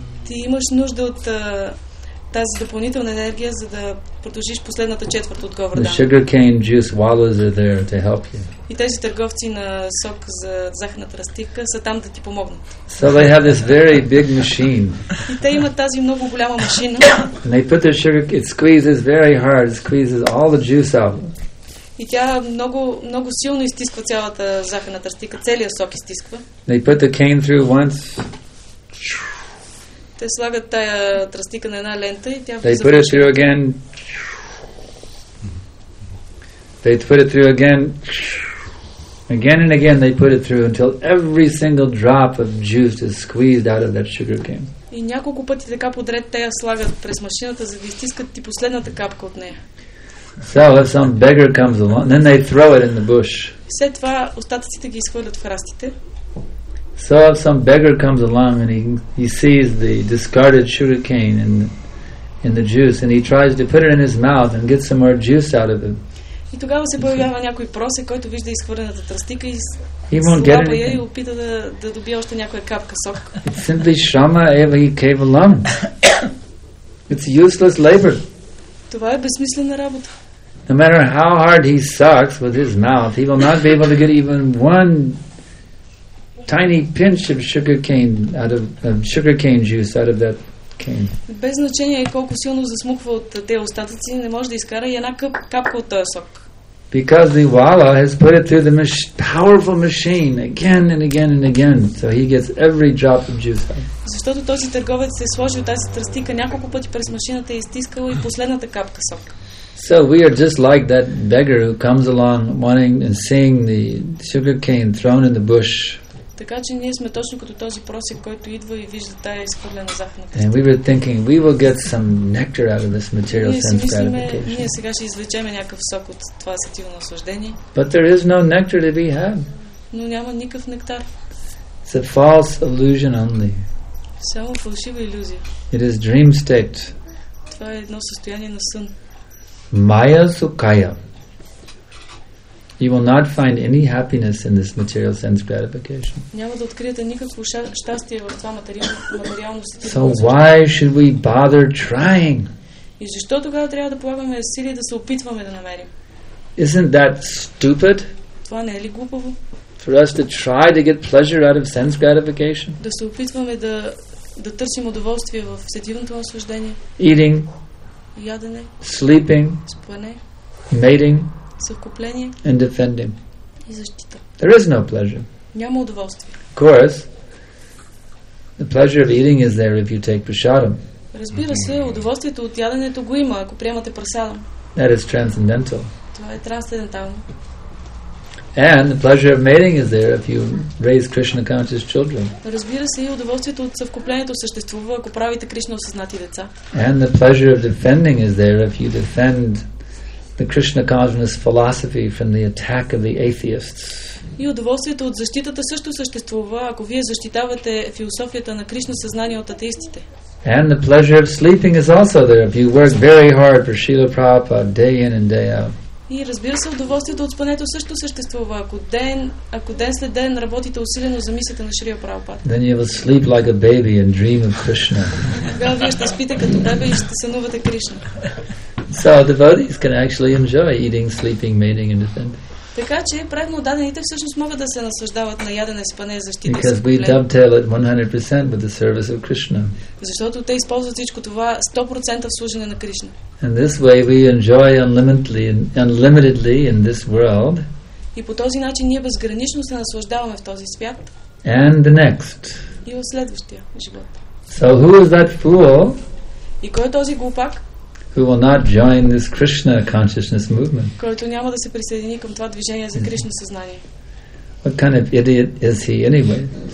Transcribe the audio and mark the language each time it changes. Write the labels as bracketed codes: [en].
[bg] Ти имаш нужда от тази допълнителна енергия, за да продължиш последната четвърта от Говардан. [en] The sugar cane juice wallows are there to help you. [bg] И тези търговци на сок за захарната растивка са там да ти помогнат. [en] So they have this very big machine. [bg] И те имат тази много голяма машина. [en] And they put the sugar, it squeezes very hard, squeezes all the juice out. [bg] И тя много, много силно изтисква цялата захарна тръстика, целия сок изтисква. [en] They put the cane through once. [bg] Те слагат тая тръстика на една лента и тя влиза. [en] They put it through again. They put it through again. Again and again they put it through until every single drop of juice is squeezed out of that sugar cane. [bg] И няколко пъти така подред те я слагат през машината, за да изтискат и последната капка от нея. [en] So if some beggar comes along, then they throw it in the bush. [bg] След това остатъците ги изхвърлят в храстите. [en] So if some beggar comes along and he sees the discarded sugar cane in the juice and he tries to put it in his mouth and get some more juice out of it. [bg] И тогава се появява някой просек, който вижда изхвърлената тръстика и слапа я и опита да добие още някоя капка сок. [en] It's simply shrama ever he came along. It's useless labor. [bg] Това е безсмислена работа. [en] No matter how hard he sucks with his mouth, he will not be able to get even one tiny pinch of sugar cane out of sugar cane juice out of that cane. [bg] Без значение колко силно засмуква от тези остатъци, не може да изкара и една капка от този сок. [en] Because the wala has put it through the powerful machine again and again and again, so he gets every drop of juice out. [bg] Защото този търговец е сложил тази тръстика няколко пъти през машината и стискал и последната капка сок. [en] So we are just like that beggar who comes along wanting and seeing the sugar cane thrown in the bush. [bg] Така че ние сме точно като този просек, който идва и вижда тая изхвърлена захарна [en] тръстика. And we were thinking we will get some nectar out of this material sense gratification. [bg] Ние сега ще извлечем някакъв сок от това сетивно наслаждение. [en] But there is no nectar to be had. [bg] Но няма никакъв нектар. [en] It's a false illusion only. [bg] Само фалшива илюзия. [en] It is dream state. [bg] Това е едно състояние на сън. [sa] Maya sukaya. [en] You will not find any happiness in this material sense gratification. [bg] Няма да откриете никакво щастие в това материално сетивно. [en] So why should we bother trying? [bg] И защо тогава трябва да полагаме усилия да се опитваме да намерим? [en] Isn't that stupid? [bg] Това не е ли глупаво? [en] For us to try to get pleasure out of sense gratification. [bg] Да се опитваме да търсим удоволствие в сетивното наслаждение. [en] Eating. [bg] Ядене. [en] Sleeping. [bg] Спане. [en] Mating. [bg] Съвкупление. [en] And defending. [bg] И защита. [en] There is no pleasure. [bg] Няма удоволствие. [en] Of course, the pleasure of eating is there if you take prasadam. [bg] Разбира се, удоволствието от яденето го има, ако приемате прасадам. [en] That is transcendental. [bg] Това е трансцендентално. [en] And the pleasure of mating is there if you raise Krishna conscious children. [bg] Разбира се, и удоволствието от съвкуплението съществува, ако правите Кришна осъзнати деца. [en] And the pleasure of defending is there if you defend the Krishna conscious philosophy from the attack of the atheists. [bg] И удоволствието от защитата също съществува, ако вие защитавате философията на Кришна съзнание от атеистите. [en] And the pleasure of sleeping is also there if you work very hard for Srila Prabhupada day in and day out. [bg] И разбира се, удоволствието от спането също съществува, ако ден след ден работите усилено за мислите на Шрия Прабхупада. [en] Then you will sleep like a baby and dream of Krishna. [bg] Тогава вие ще спите като бебе и ще сънувате Кришна. [en] So devotees can actually enjoy eating, sleeping, mating and defending. [bg] Така че правилно отдадените всъщност могат да се наслаждават на ядене, спане, защита. [en] Because we dovetail it 100% with the service of Krishna. [bg] Защото те използват всичко това 100% в служене на Кришна. [en] And this way we enjoy unlimitedly in this world. [bg] И по този начин ние безгранично се наслаждаваме в този свят. [en] And the next. [bg] И в следващия живот. [en] So who is that fool? [bg] И кой е този глупак? [en] Who will not join this Krishna consciousness movement? [bg] Който няма да се присъедини към това движение за Кришна съзнание. [en] What kind of idiot is he anyway?